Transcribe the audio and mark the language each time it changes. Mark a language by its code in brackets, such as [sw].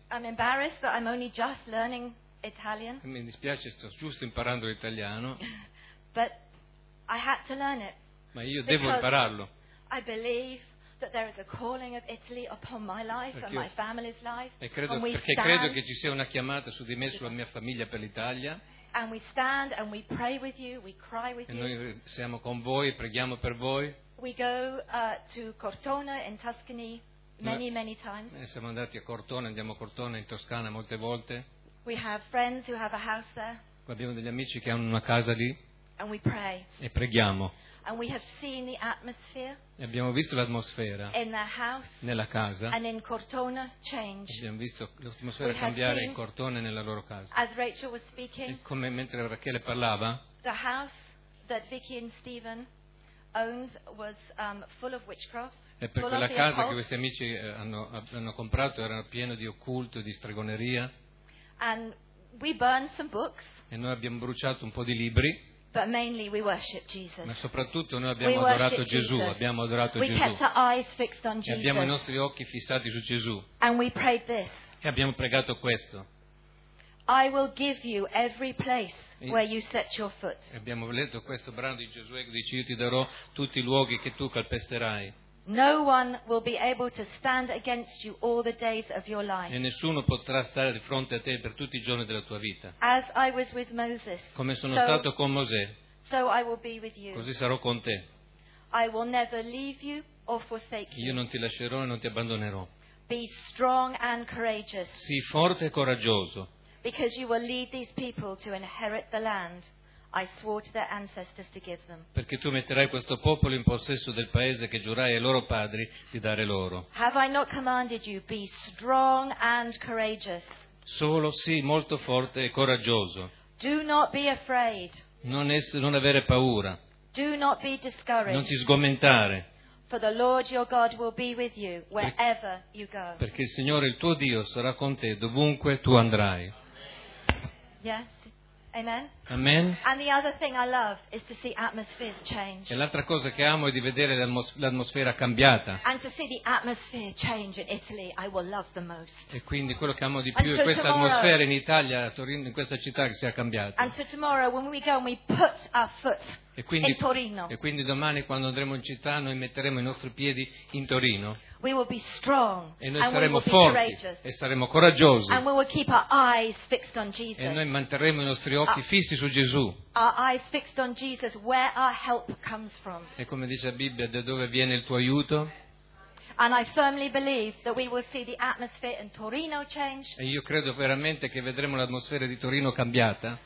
[en] I'm embarrassed that I'm only just learning Italian. [it] Mi dispiace, sto giusto imparando l'italiano. [en] But I had to learn it. [it] Ma io devo impararlo. [en] I believe that there is a calling of Italy upon my life and my family's life. [it] E credo, perché credo che ci sia una chiamata su di me, sulla mia famiglia, per l'Italia. [en] And we stand and we pray with you, we cry with you. [it] E noi siamo con voi, preghiamo per voi. [en] We go to Cortona in Tuscany many times. [it] Siamo andati a Cortona, andiamo a Cortona in Toscana molte volte. [en] We have friends who have a house there. [it] Abbiamo degli amici che hanno una casa lì. [en] And we pray. [it] E preghiamo. [en] And we have seen the atmosphere. [it] E abbiamo visto l'atmosfera. [en] In the house. [it] Nella casa. [en] And in Cortona change. [it] Abbiamo visto l'atmosfera cambiare in Cortona e nella loro casa. [en] As Rachel was speaking. [it] E come mentre Rachele parlava. [en] The house that Vicky and Stephen owned was full of witchcraft. [it] E per quella casa che questi amici hanno comprato era pieno di occulto, di stregoneria. [en] And we burned some books. [it] E noi abbiamo bruciato un po' di libri. [en] But mainly we worship Jesus. [it] Ma soprattutto noi abbiamo adorato Gesù. Abbiamo adorato Gesù. [en] We kept our eyes fixed on Jesus. [it] E abbiamo i nostri occhi fissati su Gesù. [en] And we prayed this. [it] E abbiamo pregato questo. [en] I will give you every place where you set your foot. [it] E abbiamo letto questo brano di Gesù che dice: io ti darò tutti i luoghi che tu calpesterai. [en] No one will be able to stand against you all the days of your life. [it] E nessuno potrà stare di fronte a te per tutti i giorni della tua vita. [en] As I was with Moses. [it] Come sono stato con Mosè. [en] So I will be with you. [it] Così sarò con te. [en] I will never leave you or forsake you. [it] Io non ti lascerò e non ti abbandonerò. [en] Be strong and courageous. [it] Sii forte e coraggioso. [en] because you will lead these people to inherit the land I swore to their ancestors to give them. [it] Perché tu metterai questo popolo in possesso del paese che giurai ai loro padri di dare loro. [en] Have I not commanded you, be strong and courageous? [it] Solo sì, molto forte e coraggioso. [en] Do not be afraid. [it] Non avere paura. [en] Do not be discouraged. [it] Non ti sgomentare. [en] For the Lord your God will be with you wherever you go. [it] Perché il Signore il tuo Dio sarà con te dovunque tu andrai. [en] Yes. Amen. [it] Amen. [en] And the other thing I love is to see atmospheres change. [it] E l'altra cosa che amo è di vedere l'atmosfera cambiata. [en] And to see the atmosphere change in Italy, I will love the most. [it] E quindi quello che amo di più è questa atmosfera in Italia, a Torino, in questa città che sia cambiata. [en] And so tomorrow when we go and we put our foot. [it] E quindi domani quando andremo in città noi metteremo i nostri piedi in Torino. [en] We will be strong, [it] e noi saremo forti e saremo coraggiosi. [en] And we will keep our eyes fixed on Jesus. [it] E noi manterremo i nostri occhi fissi su Gesù. [en] Our eyes fixed on Jesus, where our help comes from. [it] E come dice la Bibbia, da dove viene il tuo aiuto? [en] And I firmly believe that we will see the atmosphere in Torino change. [it] E io credo veramente che vedremo l'atmosfera di Torino cambiata.